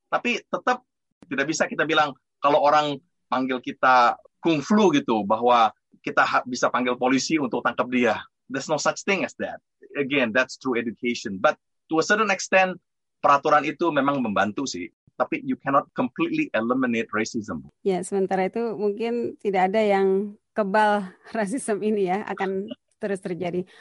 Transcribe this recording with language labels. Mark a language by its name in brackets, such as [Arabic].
[Indonesian] Tapi tetap tidak bisa kita bilang kalau orang panggil kita kung flu gitu, bahwa kita bisa panggil polisi untuk tangkap dia. [English] There's no such thing as that. Again, that's through education. But to a certain extent, [Indonesian] peraturan itu memang membantu sih. [English] Tapi you cannot completely eliminate racism. [Indonesian] Ya, sementara itu mungkin tidak ada yang kebal rasisme ini ya, akan terus terjadi.